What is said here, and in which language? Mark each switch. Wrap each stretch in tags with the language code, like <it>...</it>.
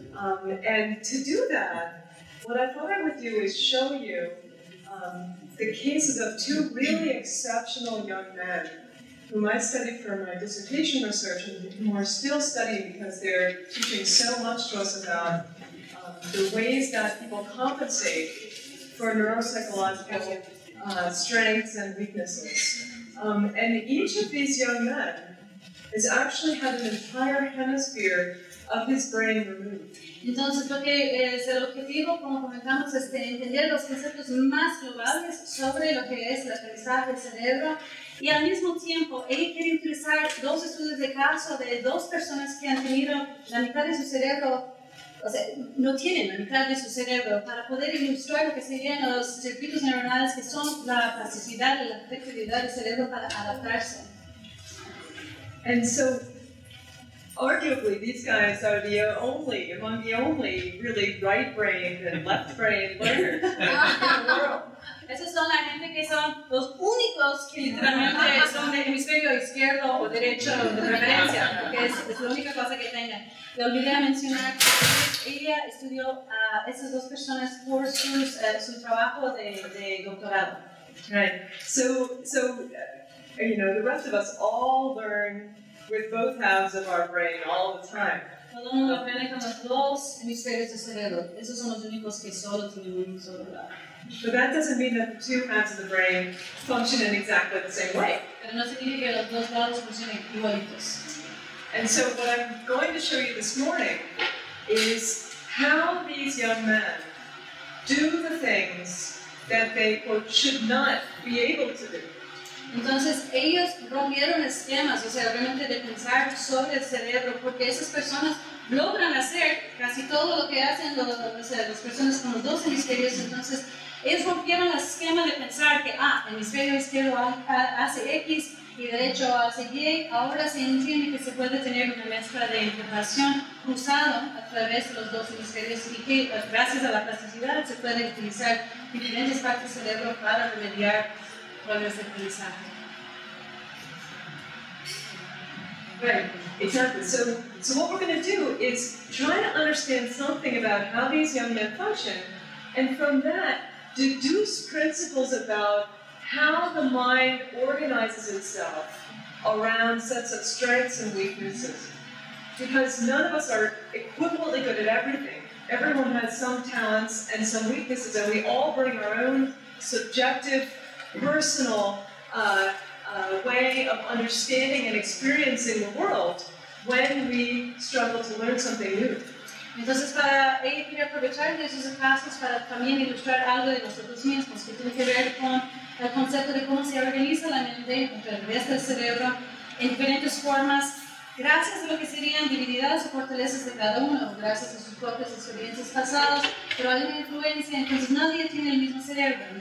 <en>And to do that, what I thought I would do is show you the cases of two really exceptional young men whom I studied for my dissertation research and who are still studying because they're teaching so much to us about the ways that people compensate for neuropsychological strengths and weaknesses. And each of these young men has actually had an entire hemisphere of his brain removed.</en> <es>Entonces, lo que es el objetivo, como comentamos, es entender los conceptos más globales sobre lo que es el aprendizaje cerebro. Y al mismo tiempo, he querido utilizar dos estudios de caso de dos personas que han tenido la mitad de su cerebro. O sea, no tienen la mitad de su cerebro para poder ilustrar lo que serían los circuitos neuronales que son la plasticidad y la flexibilidad del cerebro para adaptarse.</es> <en>And so, arguably, these guys are the only, among the only, really right-brained and left-brained learners in the world.</en> <es>Esos son la gente que son los únicos que literalmente son del hemisferio izquierdo o derecho de preferencia, que es la única cosa que tengan. Te olvidé mencionar que ella estudió a esas dos personas por sus, su trabajo de doctorado.</es> <en>Right. So, you know, the rest of us all learn with both halves of our brain all the time.</en> <es>Todo mundo aprende con los dos hemisferios del cerebro. Esos son los únicos que solo tienen un solo lado.</es> <en>But that doesn't mean that the two halves of the brain function in exactly the same way.</en> <es>Pero no significa que los dos lados funcionen igualitos.</es> <en>And so what I'm going to show you this morning is how these young men do the things that they, quote, should not be able to do.</en> <es>Entonces, ellos rompieron esquemas, o sea, realmente de pensar sobre el cerebro, porque esas personas logran hacer casi todo lo que hacen las personas con los dos hemisferios. Entonces, ellos rompieron el esquema de pensar que, el hemisferio izquierdo hace X, y derecho a seguir, ahora se entiende que se puede tener una mezcla de información cruzada a través de los dos hemisferios y que gracias a la plasticidad se puede utilizar diferentes partes del cerebro para remediar problemas de aprendizaje.</es> <en>Right, exactly. So what we're going to do is try to understand something about how these young men function and from that deduce principles about how the mind organizes itself around sets of strengths and weaknesses. Because none of us are equivalently good at everything. Everyone has some talents and some weaknesses, and we all bring our own subjective, personal way of understanding and experiencing the world when we struggle to learn something new.</en> <es>Entonces, ella quiere aprovechar de esos espacios para también ilustrar algo de nosotros mismos que tiene que ver con el concepto de cómo se organiza la mente a través del cerebro en diferentes formas, gracias a lo que serían debilidades o fortalezas de cada uno, gracias a sus propias experiencias pasadas, pero hay una influencia, entonces nadie tiene el mismo cerebro.</es>